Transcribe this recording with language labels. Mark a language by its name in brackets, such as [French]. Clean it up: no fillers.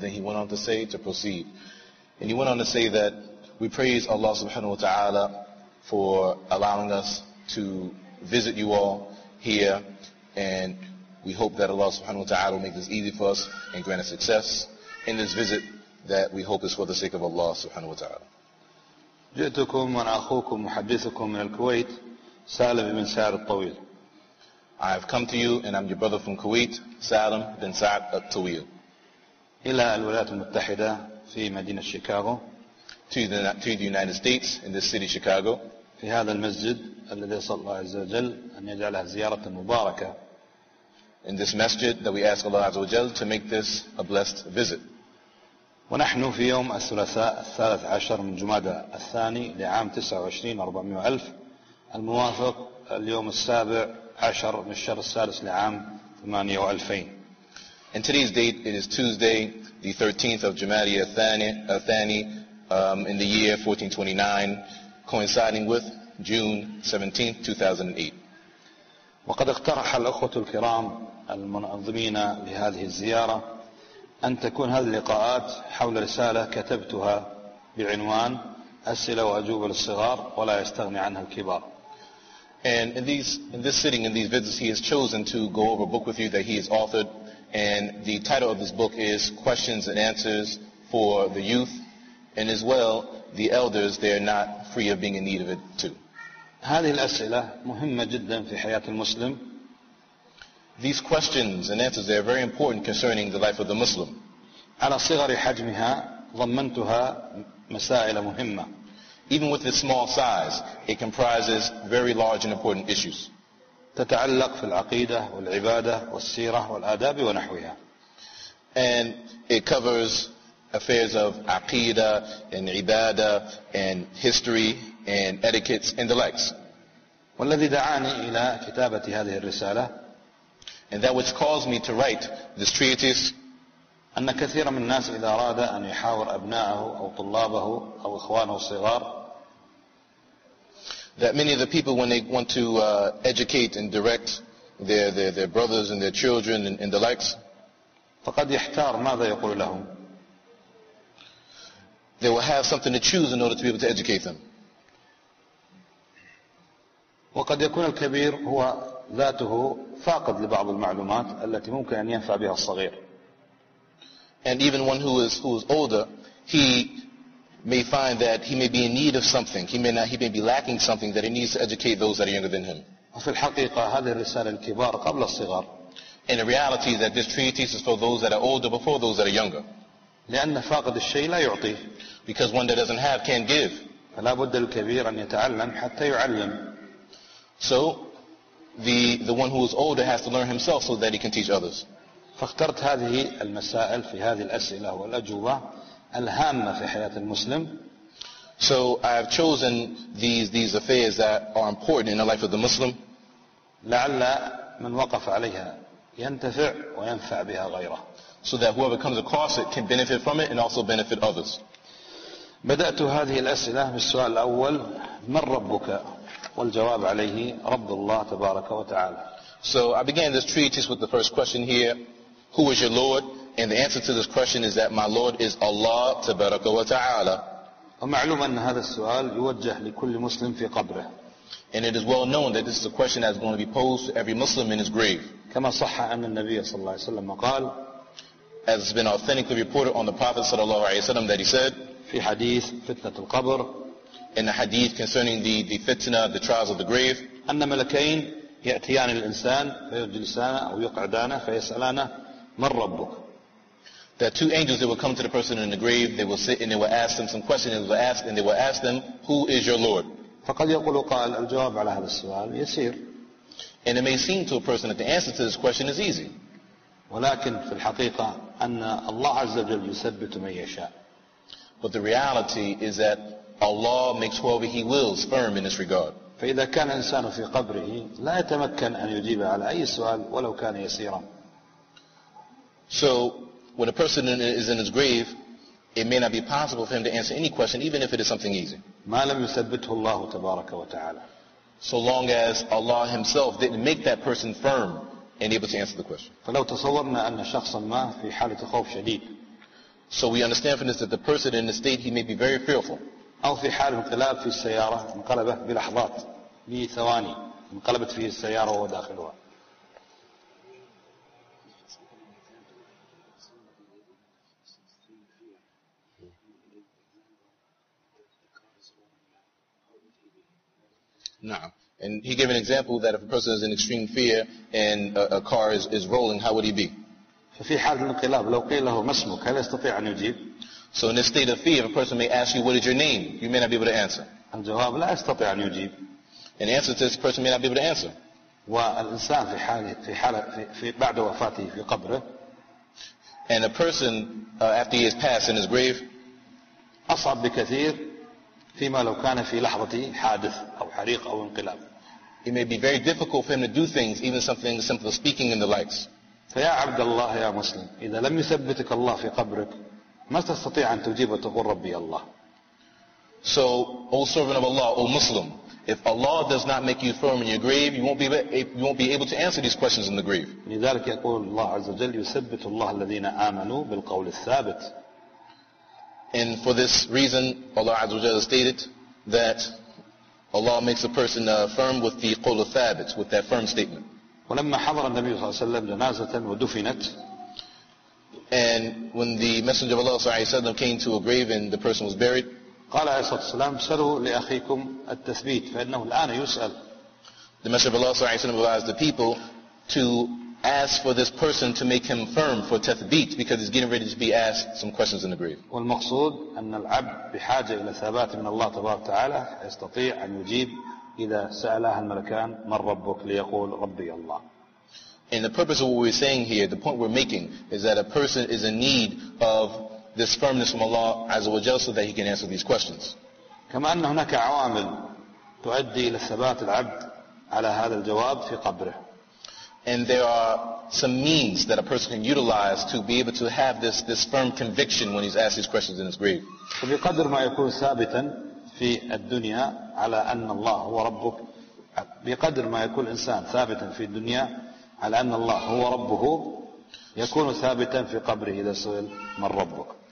[English] Then he went on to say to proceed. And he went on to say that we praise Allah subhanahu wa ta'ala for allowing us to visit you all here, and we hope that Allah subhanahu wa ta'ala will make this easy for us and grant us success in this visit that we hope is for the sake of Allah subhanahu wa ta'ala. [Arabic] جئتكم وانا اخوكم محدثكم من الكويت سالم بن سعد الطويل. [English] I have come to you and I'm your brother from Kuwait, Salim bin Sa'd al-Tawil. [Arabic] الى الولايات المتحده في مدينة شيكاغو. [English] To the United States in the city Chicago. [Arabic] في هذا المسجد الذي صلى الله عز وجل أن يجعلها زيارة مباركة. [English] In this masjid that we ask Allah [Arabic] عز وجل [English] to make this a blessed visit. [Arabic] ونحن في يوم الثلاثاء 13 من جمادى الثاني لعام 29/400 الموافق اليوم 17 من الشهر السادس لعام 2000. [English] And today's date, it is Tuesday, the 13th of Jumadi al-Thani, in the year 1429, coinciding with June 17th, 2008. [Arabic] وقد اقترح الأخوة الكرام المنظمين لهذه الزيارة أن تكون هذه اللقاءات حول رسالة كتبتها بعنوان أسئلة وأجوبة للصغار ولا يستغني عنها الكبار. [English] And in this visits, he has chosen to go over a book with you that he has authored. And the title of this book is Questions and Answers for the Youth, and as well, the elders, they are not free of being in need of it too. [Arabic] هذه الأسئلة مهمة جدا في حياة المسلم. [English] These questions and answers, they are very important concerning the life of the Muslim. [Arabic] على صغر حجمها ضمنتها مسائل مهمة. [English] Even with its small size, it comprises very large and important issues. [Arabic] تتعلق في العقيدة والعبادة والسيرة والآداب ونحوها. [English] And it covers affairs of aqidah and ibadah and history and etiquettes and the likes. [Arabic] والذي دعاني إلى كتابة هذه الرسالة. [English] And that which caused me to write this treatise. [Arabic] أن كثيرا من الناس إذا أراد أن يحاور أبنائه أو طلابه أو إخوانه الصغار. [English] That many of the people, when they want to educate and direct their brothers and their children and the likes, [Arabic] فقد يحتار ماذا يقول لهم. [English] They will have something to choose in order to be able to educate them. [Arabic] وقد يكون الكبير هو ذاته فاقد لبعض المعلومات التي ممكن أن ينفع بها الصغير. [English] And even one who is older, he may find that he may be in need of something. He may be lacking something that he needs to educate those that are younger than him. [Arabic] وفي الحقيقة هذه الرسالة للكبار قبل الصغار. [English] In reality, that this treatise is for those that are older before those that are younger. [Arabic] لأن فاقد الشيء لا يعطي. [English] Because one that doesn't have can't give. [Arabic] فلا بد للكبير أن يتعلم حتى يعلم. [English] So, the one who is older has to learn himself so that he can teach others. [Arabic] فاخترت هذه المسائل في هذه الأسئلة والأجوبة. الهامة في حياة المسلم. [English] So I have chosen these affairs that are important in the life of the Muslim. [Arabic] لعل من وقف عليها ينتفع وينفع بها غيره. [English] So that whoever comes across it can benefit from it and also benefit others. [Arabic] بدأت هذه الأسئلة بالسؤال الأول من ربك والجواب عليه رب الله تبارك وتعالى. [English] So I began this treatise with the first question here. Who is your Lord? And the answer to this question is that my Lord is Allah Tabaraka wa Ta'ala. [Arabic] ومعلوم أن هذا السؤال يوجه لكل مسلم في قبره. [English] And it is well known that this is a question that is going to be posed to every Muslim in his grave. [Arabic] كما صح أن النبي صلى الله عليه وسلم قال. [English] As has been authentically reported on the Prophet [Arabic] صلى الله عليه وسلم [English] that he said. [Arabic] في حديث فتنة القبر. [English] In a hadith concerning the fitna, the trials of the grave. [Arabic] أن ملكين يأتيان الإنسان فيجلسانه أو يقعدانه فيسألانه من ربك. [English] That two angels that will come to the person in the grave, they will sit and they will ask them some questions. They will ask and they will ask them, "Who is your Lord?" [Arabic] فقد يقول قال الجواب على هذا السؤال يسير. [English] And it may seem to a person that the answer to this question is easy. [Arabic] ولكن في الحقيقة أن الله عز وجل يثبت من يشاء. [English] But the reality is that Allah makes whoever He wills firm in this regard. [Arabic] فإذا كان الإنسان في قبره لا يتمكن أن يجيب على أي سؤال ولو كان يسيرا. [English] So when a person is in his grave, it may not be possible for him to answer any question, even if it is something easy. [Arabic] ما لم يثبته الله تبارك وتعالى. [English] So long as Allah Himself didn't make that person firm and able to answer the question. [Arabic] فلو تصورنا أن شخصا ما في حالة خوف شديد. [English] So we understand from this that the person in the state, he may be very fearful. [Arabic] أو في حال انقلاب في السيارة انقلب بلحظات بثواني انقلبت فيه السيارة وهو داخلها. نعم. [English] And he gave an example that if a person is in extreme fear and a car is rolling, how would he be? [Arabic] ففي حال الانقلاب لو قيل له ما اسمك هل يستطيع أن يجيب؟ [English] So in this state of fear, if a person may ask you, what is your name? You may not be able to answer. [Arabic] الجواب لا يستطيع أن يجيب. [English] In answer to this, person may not be able to answer. [Arabic] والإنسان في حال في حال في بعد وفاته في قبره. [English] And a person after he has passed in his grave. [Arabic] أصعب بكثير فيما لو كان في لحظة حادث أو حريق أو انقلاب. [English] It may be very difficult for him to do things, even something as simple as speaking and the likes. [Arabic] فيا عبد الله يا مسلم إذا لم يثبتك الله في قبرك ما تستطيع أن تجيب وتقول ربي الله. [English] So, O servant of Allah, O Muslim, if Allah does not make you firm in your grave, you won't be able to answer these questions in the grave. [Arabic] لذلك يقول الله عز وجل يثبت الله الذين آمنوا بالقول الثابت. [English] And for this reason, Allah [Arabic] عز وجل [English] stated that Allah makes a person firm with the [Arabic] قول الثابت, [English] with that firm statement. [Arabic] ولما حضر النبي صلى الله عليه وسلم جنازة ودفنت. [English] And when the Messenger of Allah Sallallahu Alaihi Wasallam came to a grave and the person was buried, [Arabic] قال عليه الصلاة والسلام سلوا لأخيكم التثبيت فإنه الآن يسأل. [English] The Messenger of Allah Sallallahu Alaihi Wasallam advised the people to ask for this person to make him firm for tathbeet because he's getting ready to be asked some questions in the grave. [Arabic] والمقصود أن العبد بحاجة إلى ثبات من الله تبارك وتعالى يستطيع أن يجيب إذا سألها الملكان من ربك ليقول ربي الله. [English] And the purpose of what we're saying here, the point we're making, is that a person is in need of this firmness from Allah Azza wa Jalla so that he can answer these questions. [Arabic] كما أن هناك عوامل تؤدي إلى ثبات العبد على هذا الجواب في قبره. [English] And there are some means that a person can utilize to be able to have this firm conviction when he's asked these questions in his grave. [Arabic] وبقدر ما يكون ثابتا في الدنيا على أن الله هو ربك بقدر ما يكون الإنسان ثابتا في الدنيا على أن الله هو ربه يكون ثابتا في قبره إذا سئل من ربك.